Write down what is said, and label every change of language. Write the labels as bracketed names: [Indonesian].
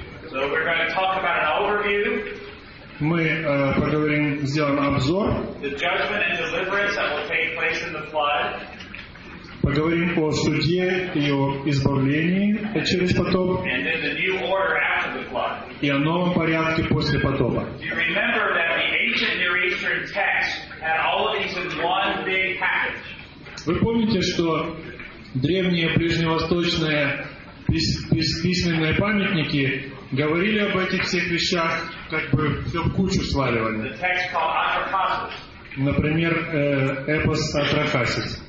[English] So we're going to talk about an overview. [Russian] Мы поговорим, сделаем обзор. [English] The judgment and deliverance that will take place in the flood. [Russian] Поговорим о суде и о избавлении через потоп. [English] And then the new order after the flood. [Russian] И о новом порядке после потопа. [English] Do you remember that the ancient Near Eastern text had all of these in one big package? [Russian] Вы помните, что древние ближневосточные письменные памятники говорили об этих всех вещах, как бы все в кучу сваливали? [English] The text called Atrakasis. [Russian] Например, эпос Атракасис.